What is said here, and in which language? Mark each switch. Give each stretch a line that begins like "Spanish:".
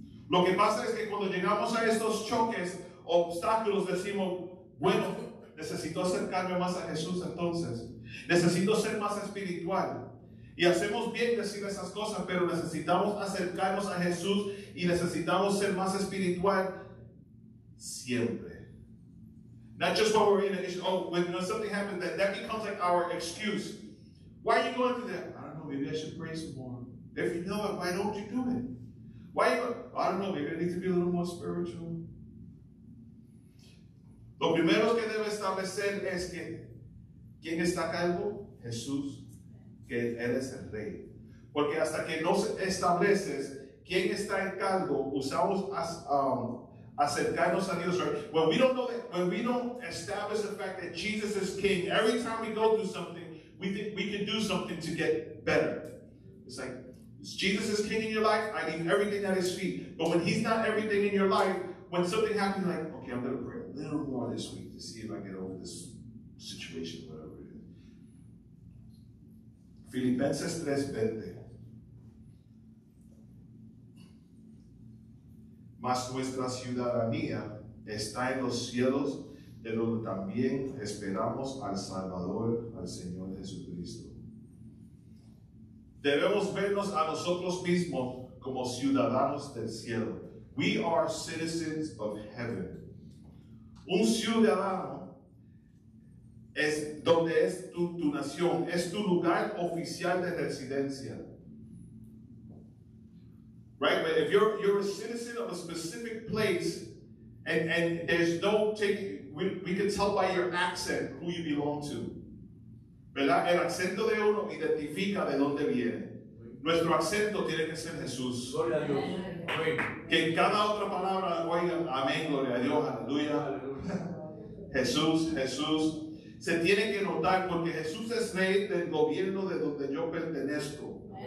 Spanish: Lo que pasa es que cuando llegamos a estos choques, obstáculos, decimos, bueno, necesito acercarme más a Jesús entonces. Necesito ser más espiritual. Y hacemos bien decir esas cosas, pero necesitamos acercarnos a Jesús y necesitamos ser más espiritual siempre.
English: Not just when we're in an issue. Oh, when something happens, that becomes like our excuse. Why are you going through that? I don't know, maybe I should pray some more. If you know it, why don't you do it? Why are you, I don't know, maybe I need to be a little more spiritual.
Spanish: Lo primero que debe establecer es que ¿quién está a cargo? Jesús, que Él es el Rey. Porque hasta que no estableces quién está en cargo, usamos acercarnos a Dios.
English: When we don't establish the fact that Jesus is King, every time we go through something, we think we can do something to get better. It's like, Jesus is King in your life, I leave everything at His feet. But when He's not everything in your life, when something happens, you're like, okay, I'm going to pray little more this week to see if I get over this situation, whatever it is.
Spanish: Filipenses 3:20. Mas nuestra ciudadanía está en los cielos, de donde también esperamos al Salvador, al Señor Jesucristo. Debemos vernos a nosotros mismos como ciudadanos del cielo.
English: We are citizens of heaven.
Spanish: Un ciudadano es donde es tu nación, es tu lugar oficial de residencia.
English: Right? But if you're a citizen of a specific place, and there's no taking, we can tell by your accent who you belong to.
Spanish: ¿Verdad? El acento de uno identifica de dónde viene. Nuestro acento tiene que ser Jesús. Gloria a Dios. Que en cada otra palabra oiga, amén, gloria a Dios, aleluya. Jesús, Jesús. Se tiene que notar porque Jesús es rey del gobierno de donde yo pertenezco.